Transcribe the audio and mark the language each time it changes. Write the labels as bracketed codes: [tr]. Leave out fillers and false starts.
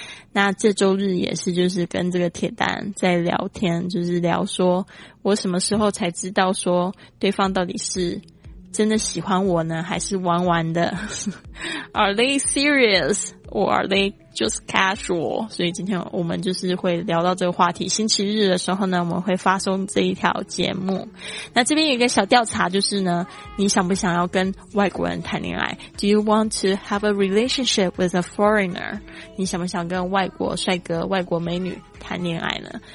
[zh] 那这周日也是就是跟这个铁蛋在聊天，就是聊说我什么时候才知道说对方到底是真的喜欢我呢，还是玩玩的 [en] Are they serious or are they just casual？ [zh] 所以今天我们就是会聊到这个话题，星期日的时候呢我们会发送这一条节目。那这边有一个小调查，就是呢你想不想要跟外国人谈恋爱？ [en] Do you want to have a relationship with a foreigner？ [zh] 你想不想跟外国帅哥外国美女谈恋爱呢？